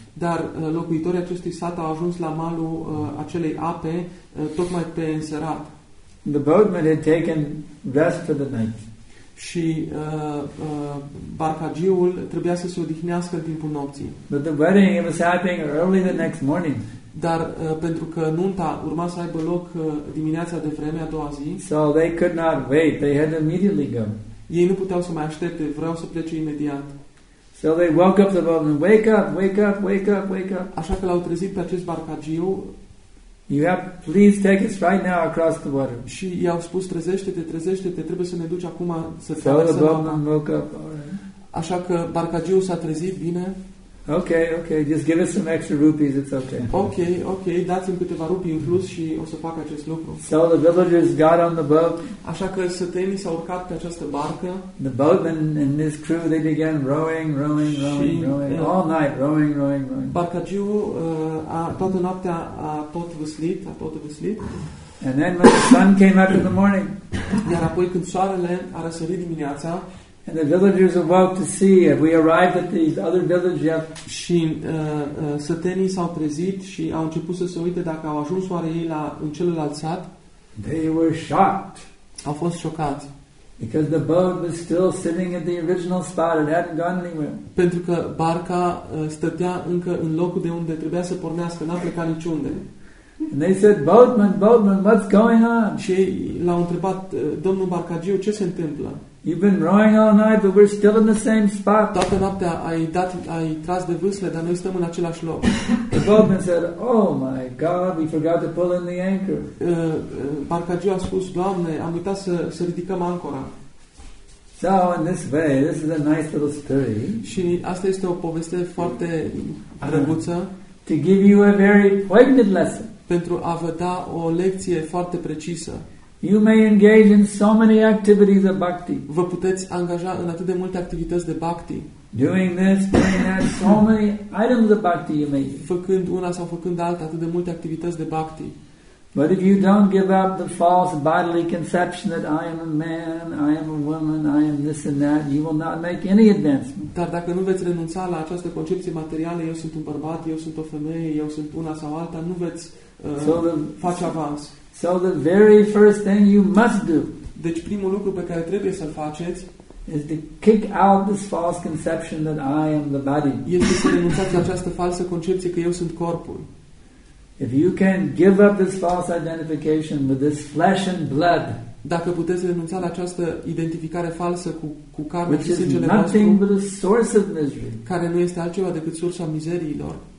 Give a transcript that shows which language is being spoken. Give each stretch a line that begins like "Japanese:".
Romanian: Dar locuitorii acestui sat au ajuns la malul acelei ape tocmai pe înserat.
English: The boatman had taken rest for the night.
Romanian: Și barcagiul trebuia să se odihnească în timpul nopții.
English: But the wedding was happening early the next morning.
Romanian: Dar pentru că nunta urma să aibă loc dimineața de vreme a doua zi.
English: So they could not wait. They had immediately go.
Romanian: Ei nu puteau să mai aștepte, vreau să plece imediat.
English: So they woke up the boatman. Wake up, wake up, wake up, wake up.
Romanian: Așa că l-au trezit pe acest barcagiu.
English: You have, please take us right now across the water.
Romanian: Și i-au spus trezește-te, trezește-te, trebuie să ne duci acum să te lăsăm.
English: So the boatman woke up.
Romanian: Așa că barcagiu s-a trezit, bine.
English: Okay, okay, just give us some extra rupees, it's okay.
Romanian: Okay, okay, dați-mi câteva rupii în plus și o să fac acest lucru.
English: So the villagers got on the boat.
Romanian: Așa că sătenii s-au urcat pe această barcă.
English: The boatman and his crew, they began rowing, rowing, rowing, rowing, all night, rowing, rowing, rowing.
Romanian: Barcagiul toată noaptea a tot vâslit.
English: And then when the sun came up in the morning.
Romanian: Iar apoi când soarele a răsărit dimineața.
English: And the villagers awoke to see if we arrived at the other village yet.
Romanian: Și sătenii s-au trezit și au început să se uite dacă au ajuns oare ei la în celălalt sat.
English: They were shocked.
Romanian: Au fost șocați.
English: Because the boat was still sitting at the original spot. It hadn't gone anywhere.
Romanian: Pentru că barca stătea încă în locul de unde trebuia să pornească, n-a plecat niciunde.
English: And they said, "Boatman, boatman, what's going on?"
Romanian: Și l-au întrebat, domnul barcagiu, ce se întâmplă?
English: You've been rowing all night, but we're still in the same spot.
Romanian: Toată noaptea ai tras de vâsle, dar noi stăm în același loc.
English: The boatman said, "Oh my God, we forgot to pull in the anchor."
Romanian: Barcagiu a spus, Doamne, am uitat să ridicăm ancora.
English: So in this way, this is a nice little story.
Romanian: Și asta este o poveste foarte drăguță.
English: To give you a very poignant lesson.
Romanian: Pentru a vă da o lecție foarte precisă.
English: You may engage in so many activities of bhakti.
Romanian: Vă puteți angaja în atât de multe activități de bhakti.
English: Doing this, doing that, so many items of bhakti you may.
Romanian: Făcând una sau făcând alta, atât de multe activități de bhakti.
English: But if you don't give up the false bodily conception that I am a man, I am a woman, I am this and that, you will not make any advancement.
Romanian: Dar dacă nu veți renunța la această concepție materială, eu sunt un bărbat, eu sunt o femeie, eu sunt una sau alta, nu veți face avans.
English: So the very first thing you must do.
Romanian: Deci primul lucru pe care trebuie să-l faceți
English: is to kick out this false conception that I am the body.
Romanian: Este să renunțați la această falsă concepție că eu sunt corpul.
English: If you can give up this false identification with this flesh and blood.
Romanian: Dacă puteți renunța la această identificare falsă cu carne
English: which
Romanian: și sângele
English: is nothing but a source of misery.
Romanian: Care nu este altceva decât sursa mizeriilor.